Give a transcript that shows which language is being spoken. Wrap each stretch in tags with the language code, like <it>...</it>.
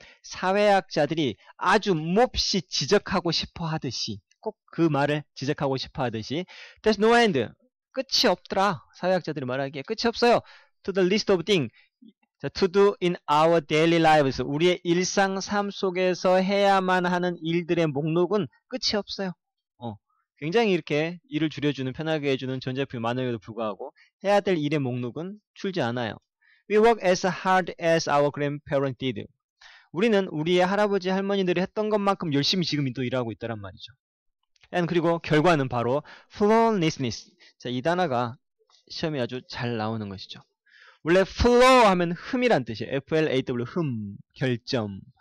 <ko>사회학자들이 아주 몹시 지적하고 싶어 하듯이, 꼭그 말을 지적하고 싶어 하듯이,</ko> <en>there's no end.</en> <ko>끝이 없더라. 사회학자들이 말하기에 끝이 없어요.</ko> <en>To the list of things. To do in our daily lives.</en> <ko>우리의 일상 삶 속에서 해야만 하는 일들의 목록은 끝이 없어요. 굉장히 이렇게 일을 줄여주는, 편하게 해주는 전자표 많음에도 불구하고 해야 될 일의 목록은 줄지 않아요.</ko> <en>We work as hard as our grandparents did.</en> <ko>우리는 우리의 할아버지, 할머니들이 했던 것만큼 열심히 지금도 일하고 있다란 말이죠. And 그리고 결과는 바로 flawlessness. 자, 이 단어가 시험에 아주 잘 나오는 것이죠. 원래 flaw 하면 흠이란 뜻이에요. F-L-A-W, 흠, 결점.</ko>